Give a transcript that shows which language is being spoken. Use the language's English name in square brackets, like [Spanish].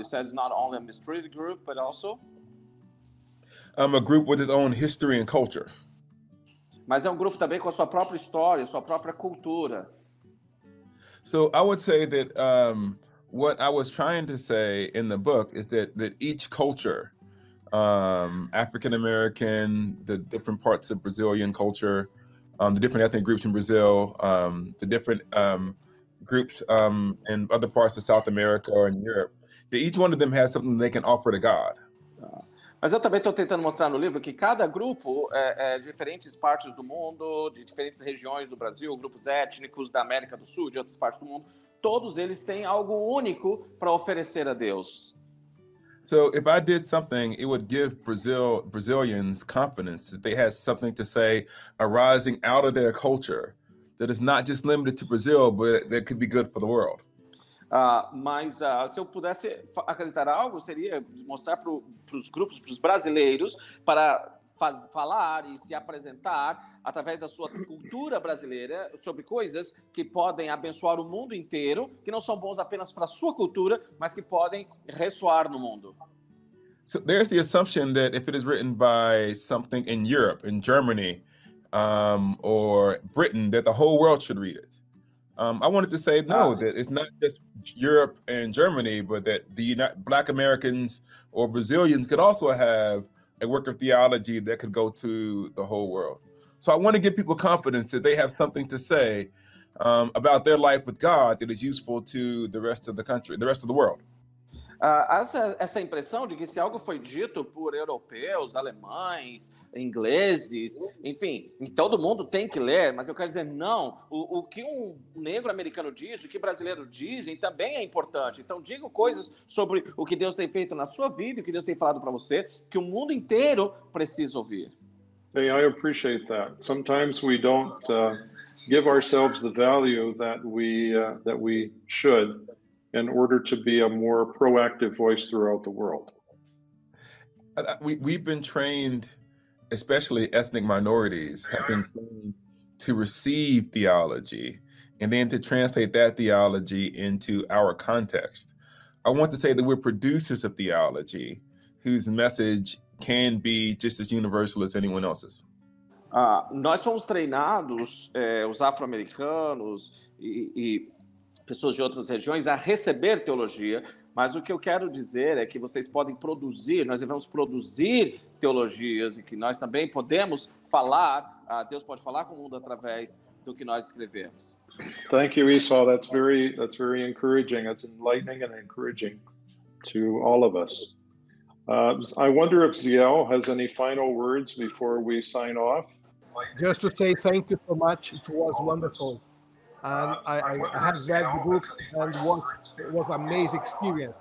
[English] It says not only a mistreated group, but also A group with its own history and culture. [Portuguese] Mas é um grupo também com a sua própria história, sua própria cultura. [English] So I would say that what I was trying to say in the book is that each culture, African American, the different parts of Brazilian culture, the different ethnic groups in Brazil, the different groups in other parts of South America or in Europe, that each one of them has something they can offer to God. [Portuguese] Mas eu também estou tentando mostrar no livro que cada grupo de diferentes partes do mundo, de diferentes regiões do Brasil, grupos étnicos da América do Sul, de outras partes do mundo, todos eles têm algo único para oferecer a Deus. [English] So if I did something, it would give Brazilians confidence that they had something to say arising out of their culture that is not just limited to Brazil, but that could be good for the world. [Portuguese] Mas se eu pudesse acreditar algo, seria mostrar para os grupos, para os brasileiros, para falar e se apresentar através da sua cultura brasileira sobre coisas que podem abençoar o mundo inteiro, que não são bons apenas para a sua cultura, mas que podem ressoar no mundo. [English] So there's the assumption that if it is written by something in Europe, in Germany, or Britain, that the whole world should read it. I wanted to say no, that it's not just Europe and Germany, but that the Black Americans or Brazilians could also have a work of theology that could go to the whole world. So I want to give people confidence that they have something to say about their life with God that is useful to the rest of the country, the rest of the world. [Portuguese] Essa impressão de que se algo foi dito por europeus, alemães, ingleses, enfim, todo mundo tem que ler, mas eu quero dizer, não, o que um negro americano diz, o que brasileiro dizem também é importante. Então, digo coisas sobre o que Deus tem feito na sua vida, o que Deus tem falado para você, que o mundo inteiro precisa ouvir. [English] Hey, I appreciate that. Sometimes we don't give ourselves the value that we should in order to be a more proactive voice throughout the world. We've been trained, especially ethnic minorities, have been trained to receive theology and then to translate that theology into our context. I want to say that we're producers of theology whose message can be just as universal as anyone else's. [Portuguese] Nós fomos treinados, os afro-americanos e pessoas de outras regiões, a receber teologia, mas o que eu quero dizer é que vocês podem produzir, nós devemos produzir teologias e que nós também podemos falar, Deus pode falar com o mundo através do que nós escrevemos. [English] Thank you, Esau. That's very encouraging. That's enlightening and encouraging to all of us. I wonder if Ziel has any final words before we sign off. Just to say thank you so much. It was wonderful. I have read the book and it was an amazing experience.